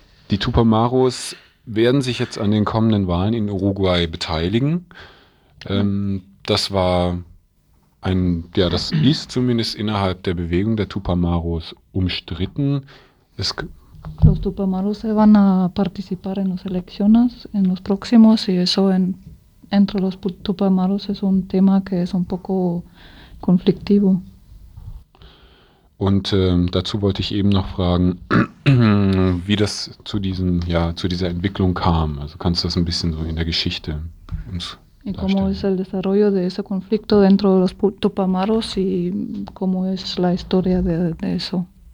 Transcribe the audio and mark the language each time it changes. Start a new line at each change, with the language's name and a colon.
German: Die Tupamaros werden sich jetzt an den kommenden Wahlen in Uruguay beteiligen. Das ist zumindest innerhalb der Bewegung der Tupamaros umstritten.
Spanish: Los Tupamaros se van a participar en las elecciones en los próximos y eso en, entre los Tupamaros es un tema que es un poco conflictivo.
German: Und dazu wollte ich eben noch fragen, wie das zu diesen, ja, zu dieser Entwicklung kam. Also kannst du das ein bisschen so in der Geschichte uns
Spanish: y cómo es el desarrollo de ese conflicto dentro de los Tupamaros y cómo es la historia de eso?